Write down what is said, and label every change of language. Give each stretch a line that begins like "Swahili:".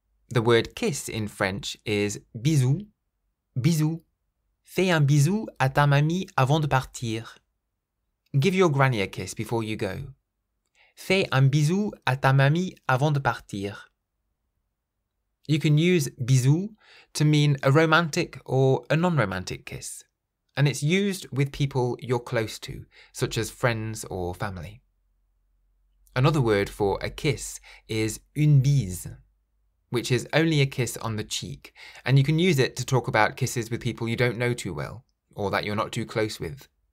English: The word kiss in French is bisou, bisou.
French: Fais un bisou à ta mamie avant de partir.
English: Give your granny a kiss before you go.
French: Fais un bisou à ta mamie avant de partir.
English: You can use bisou to mean a romantic or a non-romantic kiss, and it's used with people you're close to, such as friends or family. Another word for a kiss is une bise, which is only a kiss on the cheek, and you can use it to talk about kisses with people you don't know too well, or that you're not too close with.